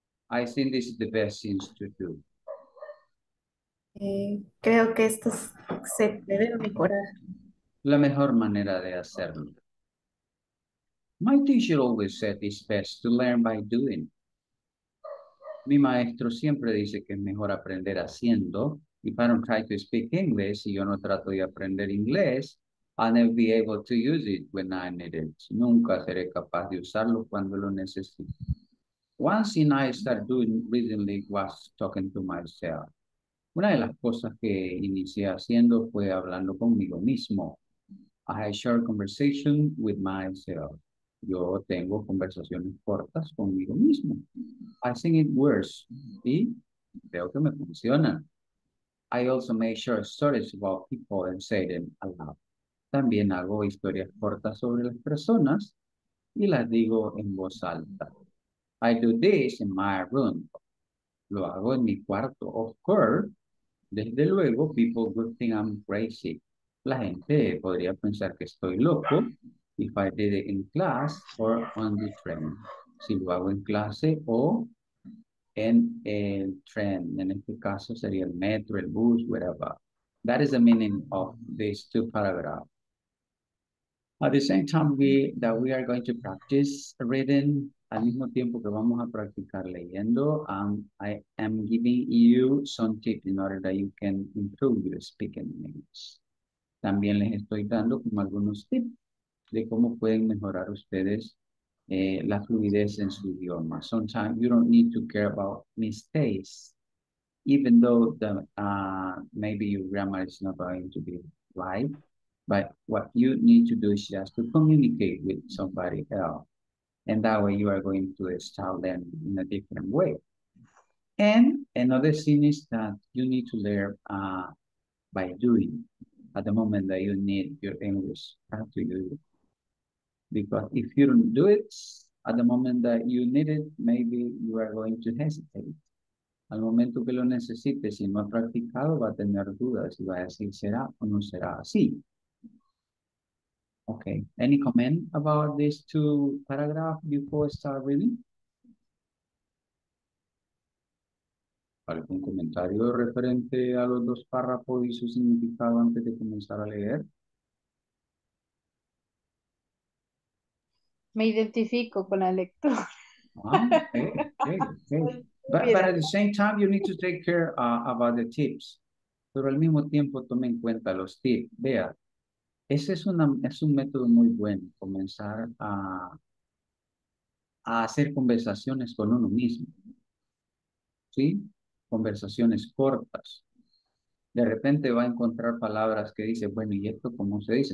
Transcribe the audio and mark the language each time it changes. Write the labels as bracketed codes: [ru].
[en] I think this is the best thing to do. [es] Creo que esto se debe mejorar. La mejor manera de hacerlo. [en] My teacher always said it's best to learn by doing. [es] Mi maestro siempre dice que es mejor aprender haciendo. [en] If I don't try to speak English, [es] si yo no trato de aprender inglés, [en] I'll never be able to use it when I need it. [es] Nunca seré capaz de usarlo cuando lo necesite. [en] One thing I started doing recently was talking to myself. [es] Una de las cosas que inicié haciendo fue hablando conmigo mismo. [en] I had a short conversation with myself. [es] Yo tengo conversaciones cortas conmigo mismo. [en] I think it works. [es] Y veo que me funciona. [en] I also make short stories about people and say them aloud. [es] También hago historias cortas sobre las personas y las digo en voz alta. [en] I do this in my room. [es] Lo hago en mi cuarto. [en] Of course, [es] desde luego, [en] people would think I'm crazy. [es] La gente podría pensar que estoy loco. [en] If I did it in class or on the train. [es] Si lo hago en clase o en el tren. En este caso sería el metro, el bus, [en] whatever. That is the meaning of these two paragraphs. At the same time that we are going to practice reading, [es] al mismo tiempo que vamos a practicar leyendo, [en] I am giving you some tips in order that you can improve your speaking English. [es] También les estoy dando como algunos tips de cómo pueden mejorar ustedes la fluidez en su idioma. [en] Sometimes you don't need to care about mistakes, even though maybe your grammar is not going to be right, but what you need to do is just to communicate with somebody else. And that way you are going to start them in a different way. And another thing is that you need to learn by doing. At the moment that you need your English, have to use it. Because if you don't do it at the moment that you need it, maybe you are going to hesitate. [es] Al momento que lo necesite, si no ha practicado, va a tener dudas. Y va a decir, ¿será o no será así? [en] Okay. Any comment about these two paragraphs before I start reading? [es] ¿Algún comentario referente a los dos párrafos y su significado antes de comenzar a leer? Me identifico con la lectura. [en] Okay. But at the same time, you need to take care about the tips. [es] Pero al mismo tiempo, tome en cuenta los tips. Vea, ese es, es un método muy bueno, comenzar a hacer conversaciones con uno mismo. ¿Sí? Conversaciones cortas. De repente va a encontrar palabras que dice, bueno, ¿y esto cómo se dice?